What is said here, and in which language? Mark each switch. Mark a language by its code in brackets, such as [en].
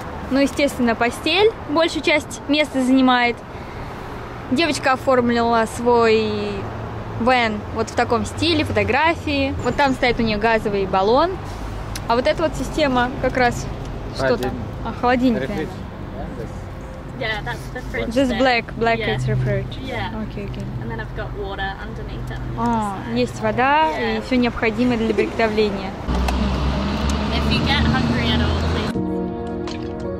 [ru] Ну, естественно, постель большую часть места занимает. Девочка оформила свой вэн вот в таком стиле, фотографии. Вот там стоит у нее газовый баллон. А вот эта вот система как раз... Что там? А, холодильник. Да, это фридж. Это [en] black, black is refrigerator. And then I've got water underneath them. [ru] Есть вода и все необходимое для приготовления. [en] If you get hungry at all, please.